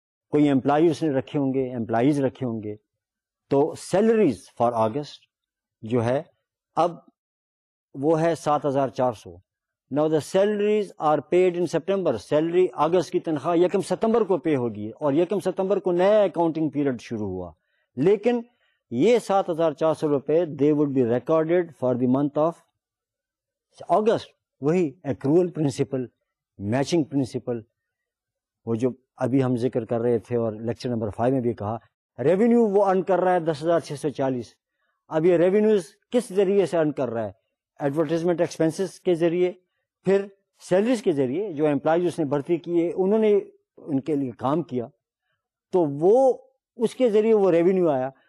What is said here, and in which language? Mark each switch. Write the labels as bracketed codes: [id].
[ur] کوئی امپلائی اس نے رکھے ہوں گے, امپلائیز رکھے ہوں گے, تو سیلریز فار اگست جو ہے اب وہ ہے 7,400. [en] Now the salaries are paid in September. [ur] Salary August کی تنخواہ یکم ستمبر کو پے ہوگی, اور یکم ستمبر کو نیا اکاؤنٹنگ پیریڈ شروع ہوا. لیکن یہ [en] 7,400 روپے they would be recorded for the month of August. [ur] وہی accrual principle, matching principle, وہ جو ابھی ہم ذکر کر رہے تھے اور لیکچر نمبر 5 میں بھی کہا. ریونیو وہ ارن کر رہا ہے 10,640. اب یہ ریونیوز کس ذریعے سے ارن کر رہا ہے؟ ایڈورٹائزمنٹ ایکسپینسز کے ذریعے, پھر سیلریز کے ذریعے, جو امپلائیز اس نے بھرتی کیے انہوں نے ان کے لیے کام کیا تو وہ اس کے ذریعے وہ ریونیو آیا.